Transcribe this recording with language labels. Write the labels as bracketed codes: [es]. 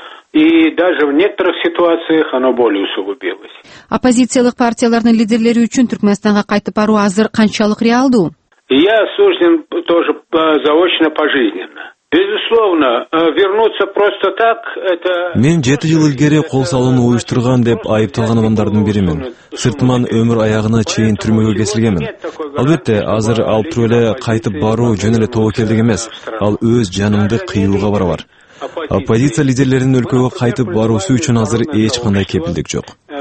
[ru] И даже в некоторых ситуациях оно более усугубилось. [ky] Оппозициялык партиялардын лидерлери үчүн Түркмөнстанга кайтып баруу азыр канчалык реалдуу? [ru] Я осужден тоже заочно пожизненно. Безусловно, вернуться просто так это. [ky] Мен 7 жыл илгери кол салууну уюштурган деп айыпталган адамдардын биримин. Сыртман өмүр аягына чейин түрмөгө кесилгенмин. Албетте, азыр ал туура эле кайтып баруу жөн эле тобокелдик эмес. Ал өз жанымды кыйууга барабар. Оппозиция лидерлеринин өлкөгө кайтып баруусу үчүн азыр эч кандай кепилдик жок.